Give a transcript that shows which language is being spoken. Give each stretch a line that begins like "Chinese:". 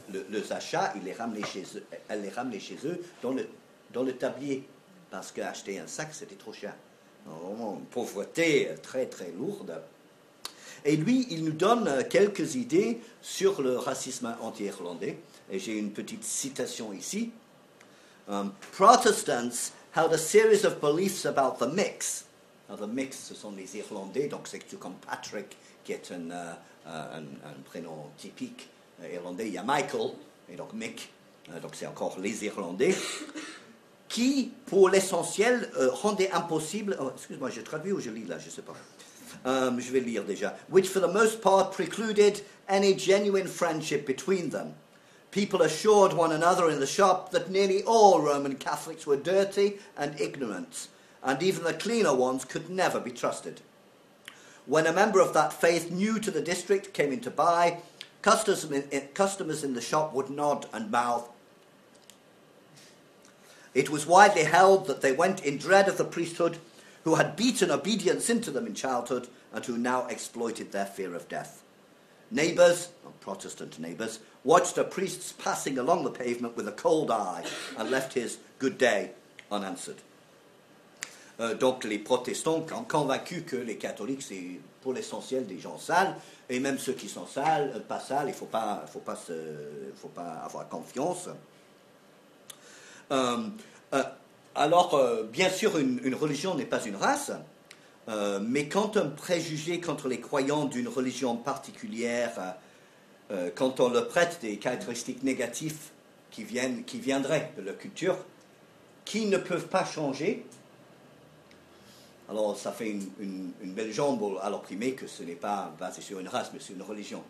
French: Les achats, elle les ramenait chez eux dans le tablier. Parce qu'acheter un sac, c'était trop cher. Vraiment, une pauvreté très, très lourde. Et lui, il nous donne quelques idées sur le racisme anti-irlandais. Et j'ai une petite citation ici.
English: Protestants held a series of beliefs about the mix. Now, the mix,
French: ce sont les Irlandais, donc c'est tout comme Patrick, qui est un prénom typique irlandais. Il y a Michael, et donc Mick, donc c'est encore les Irlandais, qui, pour l'essentiel, rendaient impossible... Oh, excuse-moi, je traduis ou je lis là, je ne sais pas. Je vais lire déjà.
English: Which for the most part precluded any genuine friendship between them. People assured one another in the shop that nearly all Roman Catholics were dirty and ignorant, and even the cleaner ones could never be trusted. When a member of that faith new to the district came in to buy, customers in the shop would nod and mouth. It was widely held that they went in dread of the priesthood, who had beaten obedience into them in childhood and who now exploited their fear of death. Neighbours, Protestant neighbours, watched a priest passing along the pavement with a cold eye and left his good day unanswered.
French: Donc les protestants ont convaincu que les catholiques c'est pour l'essentiel des gens sales, et même ceux qui sont sales, pas sales, il ne faut pas avoir confiance. Alors, bien sûr, une religion n'est pas une race, mais quand un préjugé contre les croyants d'une religion particulière, quand on leur prête des caractéristiques négatives qui viendraient de leur culture, qui ne peuvent pas changer, alors ça fait une belle jambe à l'opprimé que ce n'est pas basé sur une race, mais sur une religion.